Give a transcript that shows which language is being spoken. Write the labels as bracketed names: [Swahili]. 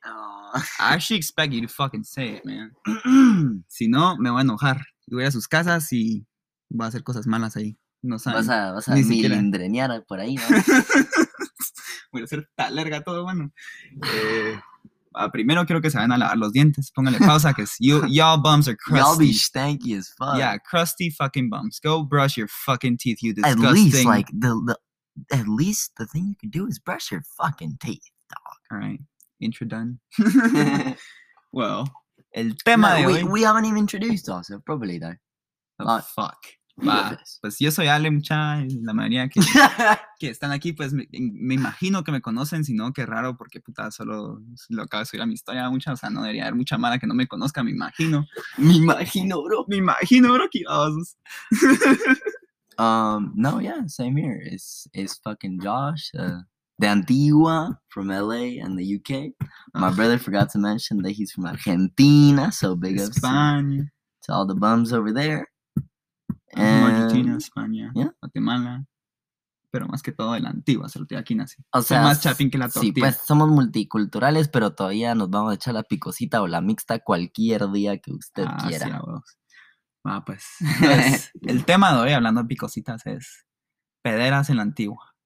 [English] I actually expect you to fucking say it, man. [Spanish] Si no, me voy a enojar. Voy a sus casas y voy a hacer cosas malas ahí. No saben. Vas a ni siquiera milindrenear por ahí, ¿no? Voy a hacer tan larga todo, mano. Primero quiero que se vayan a lavar los dientes. Póngale pausa, que [English] y'all bums are crusty. Y'all be stanky as fuck. Yeah, crusty fucking bums. Go brush your fucking teeth, you disgusting. At least, like, the thing you can do is brush your fucking teeth, dog. All right. Intro done. Well, [Spanish] el tema de hoy. [English] We haven't even introduced ourselves, probably, though. Oh, like, fuck. [Spanish] Va, pues yo soy Ale, mucha, la mayoría que están aquí, pues me imagino que me conocen, si no, qué raro, porque puta, solo lo acabo de subir a mi historia, mucha, o sea, no debería haber mucha mala que no me conozca, me imagino. Me imagino, bro, que osos. [English] No, yeah, same here, it's fucking Josh, de Antigua, from LA and the UK. My brother forgot to mention that he's from Argentina, so big ups to all the bums over there. Argentina, España, yeah. [Spanish] Guatemala, pero más que todo de la Antigua, se lo tiene aquí nací. O sea, más chapín que la tortilla. Sí, pues somos multiculturales, pero todavía nos vamos a echar la picosita o la mixta cualquier día que usted quiera. Ah, pues. El tema de hoy, hablando de picositas, es pederas en la Antigua.